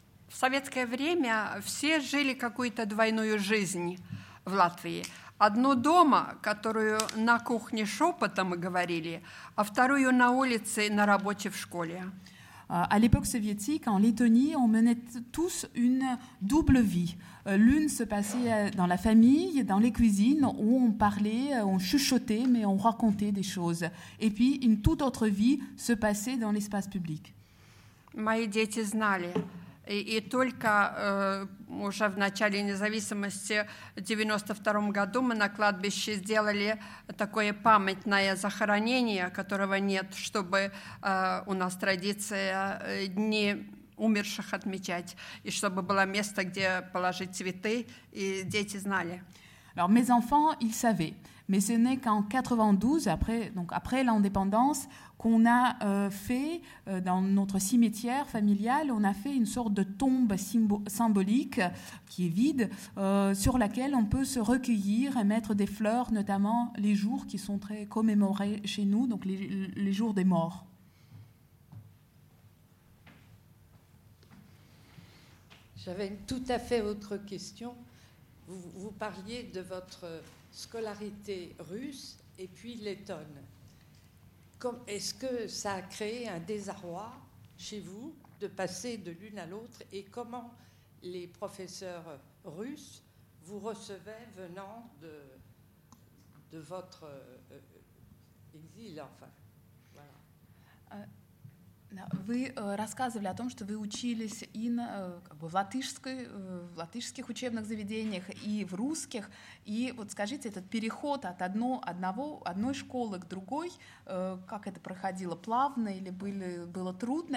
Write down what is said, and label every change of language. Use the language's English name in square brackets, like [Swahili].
[Russian] В советское время все жили какую-то двойную жизнь в Латвии. Одну дома, которую на кухне шепотом говорили, а вторую на улице, на работе, в школе. [French] À l'époque soviétique, en Lettonie, on menait tous une double vie. L'une se passait dans la famille, dans les cuisines, où on parlait, on chuchotait, mais on racontait des choses. Et puis, une toute autre vie se passait dans l'espace public. [Russian] Мои дети знали. И только уже в начале независимости, в 92-м году, мы на кладбище сделали такое памятное захоронение, которого нет, чтобы у нас традиция дни умерших отмечать, и чтобы было место, где положить цветы, и дети знали. [French] Alors, mes enfants, ils savaient. Mais ce n'est qu'en 92, après l'indépendance, qu'on a fait, dans notre cimetière familial, on a fait une sorte de tombe symbolique, qui est vide, sur laquelle on peut se recueillir et mettre des fleurs, notamment les jours qui sont très commémorés chez nous, donc les jours des morts. J'avais une tout à fait autre question. Vous parliez de votre scolarité russe et puis lettonne. Est-ce que ça a créé un désarroi chez vous de passer de l'une à l'autre, et comment les professeurs russes vous recevaient venant de votre exil, enfin, voilà. [Russian] Вы рассказывали о том, что вы учились и на, как бы в латышской, в латышских учебных заведениях, и в русских. И вот скажите, этот переход от одной школы к другой, как это проходило, плавно или было трудно?